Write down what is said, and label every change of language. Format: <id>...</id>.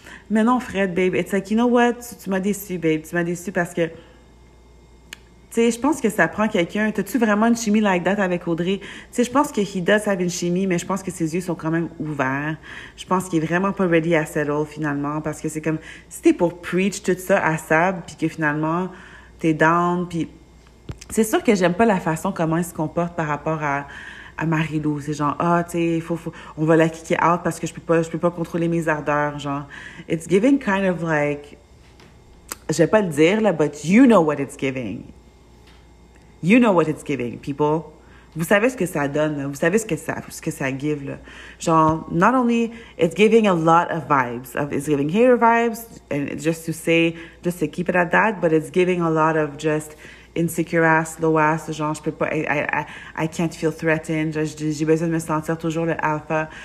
<fr>Mais non,</fr> <en>Fred, babe, it's like, you know what?</en> <fr>Tu m'as déçu, babe. Tu m'as déçu parce que, tu sais, je pense que ça prend quelqu'un. T'as-tu vraiment une chimie</fr> <en>like that</en> <fr>avec Audrey? Tu sais, je pense que</fr> <en>he does have</en> <fr>une chimie, mais je pense que ses yeux sont quand même ouverts. Je pense qu'il est vraiment pas ready à settle, finalement, parce que c'est comme, si t'es pour preach tout ça à Sab, puis que finalement, t'es down, puis c'est sûr que j'aime pas la façon comment il se comporte par rapport à Marie-Lou. C'est genre, ah, tu sais, faut, on va la kicker out parce que je peux pas contrôler mes ardeurs, genre.</fr> <en>It's giving kind of like,</en> <fr>je vais pas le dire, là,</fr> <en>but you know what it's giving. You know what it's giving, people.</en> <fr>Vous savez ce que ça donne, là. Vous savez ce que ça give, là.</fr> <en>Genre, not only, it's giving a lot of vibes. It's giving hater vibes, and just to keep it at that, but it's giving a lot of just insecure ass, low ass, genre,</en> <fr>je peux pas,</fr> <en>I can't feel threatened,</en> <fr>j'ai besoin de me sentir toujours le alpha.</fr>